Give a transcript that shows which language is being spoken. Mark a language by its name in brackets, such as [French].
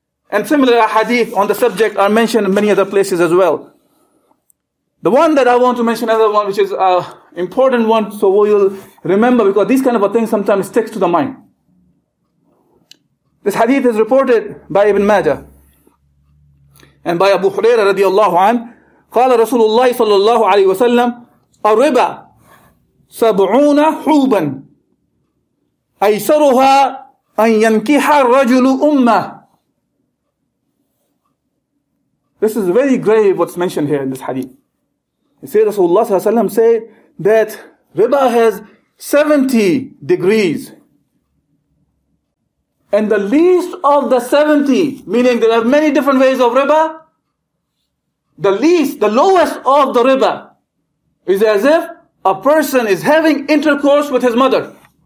[English] And similar hadith on the subject are mentioned in many other places as well. The one that I want to mention, another one which is an important one, so we'll remember, because these kind of things sometimes sticks to the mind. This hadith is reported by Ibn Majah and by Abu Huraira radiallahu anhu. [Arabic] قال رسول الله صلى الله عليه وسلم الربا سبعون حوبا أيسرها أن ينكح الرجل أمه. [English] This is very grave what's mentioned here in this hadith. It says Rasulullah sallallahu alayhi wa sallam said that riba has 70 degrees. And the least of the 70, meaning there are many different ways of riba, the least, the lowest of the riba, is as if a person is having intercourse with his mother.